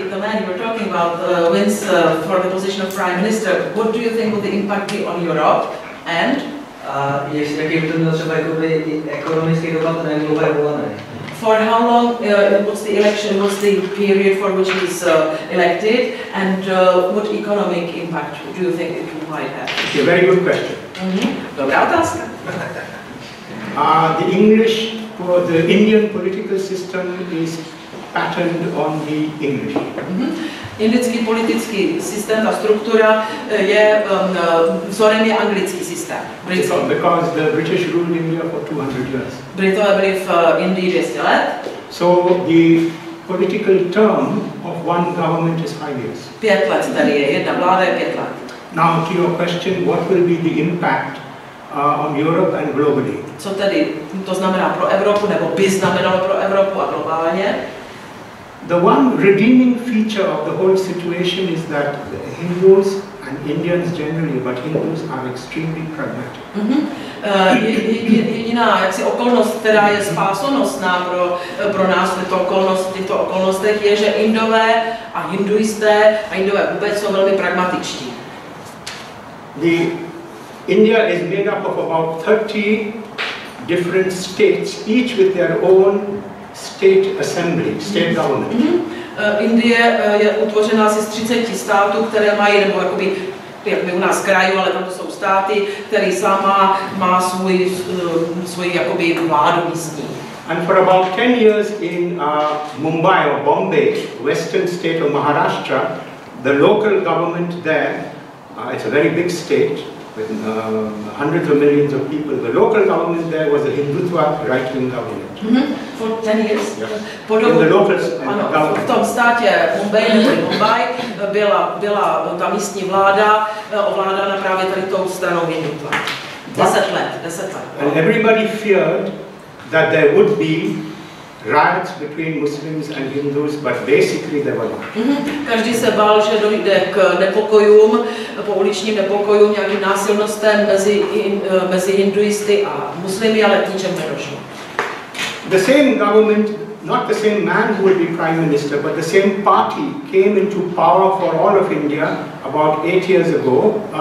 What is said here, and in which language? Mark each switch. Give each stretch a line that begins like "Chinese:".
English: And you were talking about wins for the position of prime minister. What do you think would the impact be on Europe? And
Czech: yes, jaký by to mělo třeba ekonomický dopad na globální volné?
English: For how long was the election? Was the period for which he's elected? And what economic impact do you think it might have? Okay, very good question. Mm-hmm. Don't ask. The English, for the Indian political system is patterned on the English. Mm-hmm.
Czech: Indický politický systém a struktura je vzorem je anglický systém.
English: Because the British ruled India for 200 years.
Czech: Britové byli v Indii 200 let.
English: So the political term of one government is 5 years.
Czech: 5 let tady je, jedna vláda je 5 let.
English: Now to your question, what will be the impact on Europe and globally?
Czech: Co tedy to znamená pro Evropu, nebo by znamenalo pro Evropu a globálně?
English: The one redeeming feature of the whole situation is that the Hindus and Indians generally, but Hindus are extremely pragmatic.
Czech: Jediná okolnost, která je spásonosná pro nás těchto okolnostech, je, že Indové a Hinduisté a Indové vůbec jsou velmi pragmatičtí.
English: The India is made up of about 30 different states, each with their own state assembly, state government. Mm-hmm.
Czech: Indie je utvořena asi z 30 států, které mají, nebo jakoby, jak by u nás krajů, ale tam to jsou státy, který sama má svoji jakoby vládu místní.
English: And for about 10 years in Mumbai or Bombay, western state of Maharashtra, the local government there, it's a very big state with hundreds of millions of people. The local government there was a Hindutva right-wing government. Mm-hmm. For 10 years? Yeah. In the local government.
Czech: V tom státě Mumbai byla ta místní vláda ovládána právě tady tou stranou Hindutva. 10 let.
English: And everybody feared that there would be riots between Muslims and Hindus, but basically there were not. Mm-hmm.
Czech: Každý se bál, že dojde k nepokojům, po uličním nepokojům, nějakým násilnostem mezi hinduisty a muslimy, ale k ničem nedošlo.
English: The same government, not the same man who would be prime minister, but the same party came into power for all of India about 8 years ago.